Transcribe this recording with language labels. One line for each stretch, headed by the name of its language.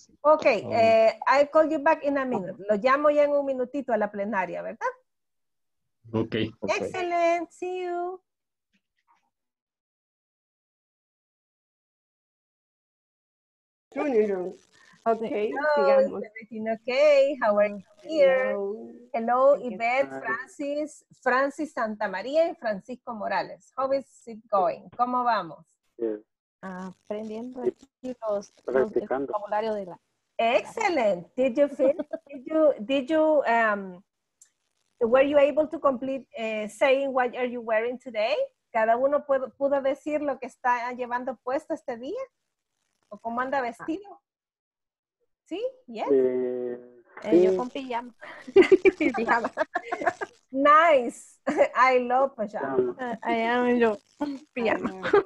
English: Ok, I'll call you back in a minute.
Spanish: Lo llamo ya en un minutito a la plenaria, ¿verdad?
English: Ok. Excellent. See you. Okay, hello, sigamos. Regina, okay, how are you here? Hello, Yvette, Francis Santa María y Francisco Morales. How is it going?
Spanish: ¿Cómo vamos? Yeah. Aprendiendo aquí los vocabulario de la.
English: Excellent. Did you finish? Were you able to complete saying what are you wearing today?
Spanish: ¿Cada uno pudo decir lo que está llevando puesto este día? ¿Cómo anda vestido? ¿Sí? ¿Yes? Yo con pijama.
English: Nice. I love pijama. I am yo. Pijama.